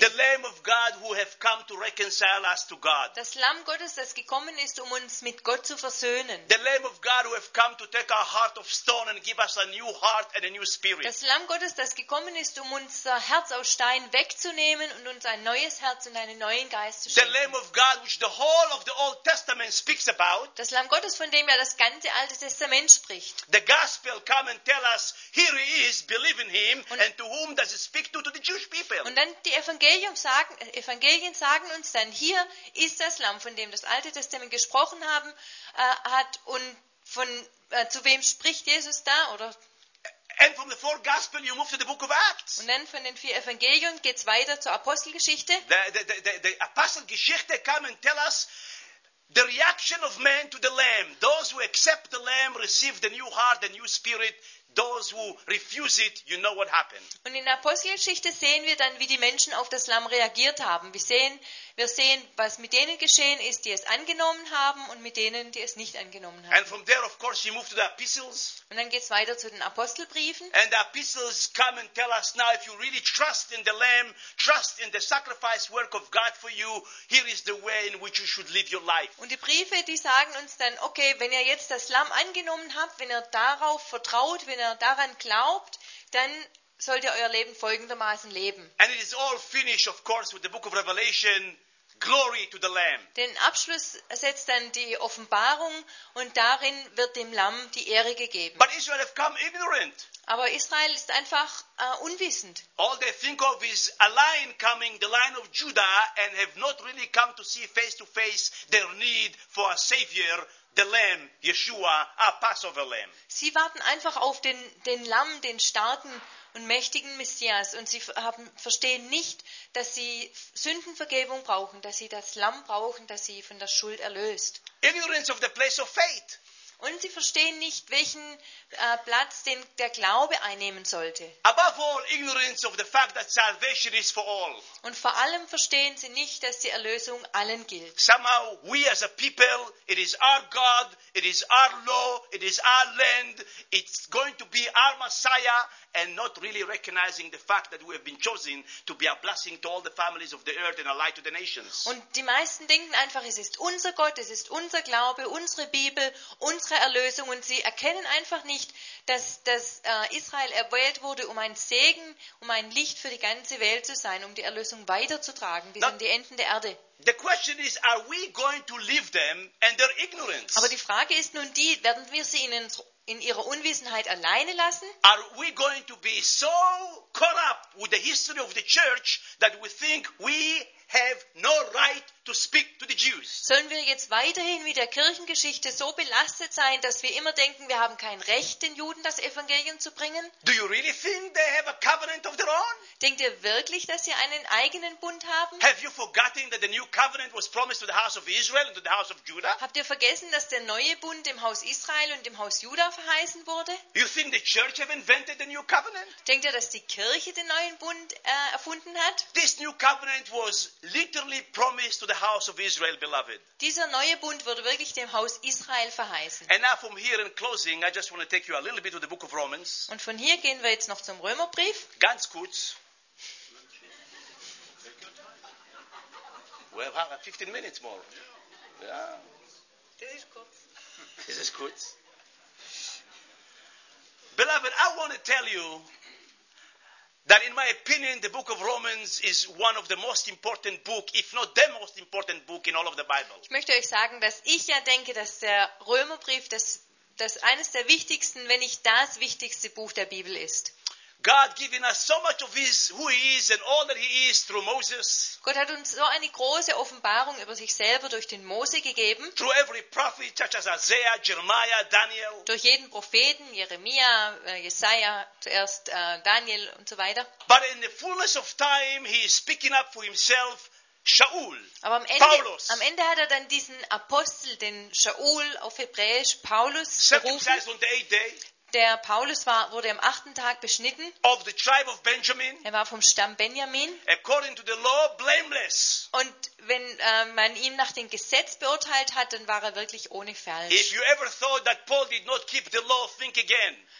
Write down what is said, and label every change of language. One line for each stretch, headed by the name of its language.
English: The Lamb of God who have come to reconcile us to God.
German: Das Lamm Gottes, das gekommen ist, um uns mit Gott zu versöhnen.
English: The Lamb of God who have come to take our heart of stone and give us a new heart and a new spirit.
German: Das Lamm Gottes, das gekommen ist, um unser Herz aus Stein wegzunehmen und uns ein neues Herz und einen neuen Geist zu schenken.
English: The Lamb of God which the whole of the Old Testament speaks about.
German: Das Lamm Gottes, von dem ja das ganze Alte Testament spricht.
English: The Gospel come and tell us, here he is, believe in him, and to whom does it speak to the Jewish people?
German: Und dann die Evangelien sagen uns dann, hier ist das Lamm, von dem das Alte Testament gesprochen haben hat, und von zu wem spricht Jesus da, oder?
English: And from the four Gospels you move to the book of Acts.
German: Und dann von den vier Evangelien geht's weiter zur Apostelgeschichte.
English: The Apostelgeschichte come and tell us the reaction of man to the Lamb. Those who accept the Lamb receive the new heart, the new spirit. Those who refuse it, you know what happened.
German: Und in der Apostelgeschichte sehen wir dann, wie die Menschen auf das Lamm reagiert haben. Wir sehen, was mit denen geschehen ist, die es angenommen haben, und mit denen, die es nicht angenommen haben.
English: And from there, of course, you move to the epistles.
German: Und dann geht es weiter zu den Apostelbriefen.
English: And the epistles come and tell us now, if you really trust in the Lamb, trust in the sacrifice work of God for you, here is the way in which you should live your life.
German: Und die Briefe, die sagen uns dann, okay, wenn ihr jetzt das Lamm angenommen habt, wenn ihr darauf vertraut, wenn ihr daran glaubt, dann sollt ihr euer Leben folgendermaßen leben.
English: And it is all finished, of course, with the book of Revelation. Glory to the Lamb.
German: Den Abschluss setzt dann die Offenbarung, und darin wird dem Lamm die Ehre gegeben.
English: But Israel have come ignorant.
German: Aber Israel ist einfach unwissend.
English: All they think of is a lion coming, the lion of Judah, and have not really come to see face to face their need for a savior. The Lamb, Yeshua, our Passover Lamb.
German: Sie warten einfach auf den Lamm, den starken und mächtigen Messias, und sie verstehen nicht, dass sie Sündenvergebung brauchen, dass sie das Lamm brauchen, das sie von der Schuld erlöst.
English: Ignorance of the place of faith.
German: Und sie verstehen nicht, welchen Platz den der Glaube einnehmen sollte.
English: Above all, ignorance of the fact that salvation is for all.
German: Und vor allem verstehen sie nicht, dass die Erlösung allen gilt.
English: Somehow we as a people, it is our God, it is our law, it is our land, it's going to be our Messiah, and not really recognizing the fact that we have been chosen to be a blessing to all the families of the earth and a light to the nations.
German: Und die meisten denken einfach, es ist unser Gott, es ist unser Glaube, unsere Bibel, unsere Erlösung, und sie erkennen einfach nicht, dass Israel erwählt wurde, um ein Segen, um ein Licht für die ganze Welt zu sein, um die Erlösung weiterzutragen bis an die Enden der Erde.
English: The question is, are we going to leave them and their ignorance?
German: Aber die Frage ist nun die, werden wir sie ihnen in ihrer Unwissenheit alleine lassen?
English: Are we going to be so caught up with the history of the church that we think we have no right to speak to the Jews.
German: Sollen wir jetzt weiterhin mit der Kirchengeschichte so belastet sein, dass wir immer denken, wir haben kein Recht, den Juden das Evangelium zu bringen?
English: Do you really think they have a covenant of their own?
German: Denkt ihr wirklich, dass sie einen eigenen Bund haben?
English: Have you forgotten that the new covenant was promised to the house of Israel and to the house of Judah?
German: Habt ihr vergessen, dass der neue Bund dem Haus Israel und dem Haus Juda verheißen wurde?
English: You think the church have invented the new covenant?
German: Denkt ihr, dass die Kirche den neuen Bund erfunden hat?
English: This new covenant was literally promised to the house of Israel, beloved.
German: Dieser neue Bund wurde wirklich dem Haus Israel verheißen.
English: And now from here in closing, I just want to take you a little bit to the book of Romans.
German: Und von hier gehen wir jetzt noch zum Römerbrief. Ganz kurz.
English: We have 15 minutes more. Yeah. This is kurz. This is kurz. Beloved, I want to tell you that in my opinion, the book of Romans is one of the most important book, if not the most important book in all of the Bible.
German: Ich möchte euch sagen, dass ich ja denke, dass der Römerbrief das eines der wichtigsten, wenn nicht das wichtigste Buch der Bibel ist.
English: God given us so much of his, who he is and all that he is through Moses.
German: Gott hat uns so eine große Offenbarung über sich selber durch den Mose gegeben.
English: Through every prophet, such as Isaiah, Jeremiah, Daniel.
German: Durch jeden Propheten, Jeremia, Jesaja, zuerst Daniel und so weiter.
English: But in the fullness of time, he is speaking up for himself, Shaul,
German: aber am Ende hat er dann diesen Apostel, den Shaul auf Hebräisch, Paulus, berufen. Der Paulus wurde am achten Tag beschnitten.
English: Of the tribe of Benjamin.
German: Er war vom Stamm Benjamin.
English: According to the law, blameless.
German: Und wenn man ihn nach dem Gesetz beurteilt hat, dann war er wirklich ohne falsch.
English: If you ever thought that Paul did not keep the law, think again.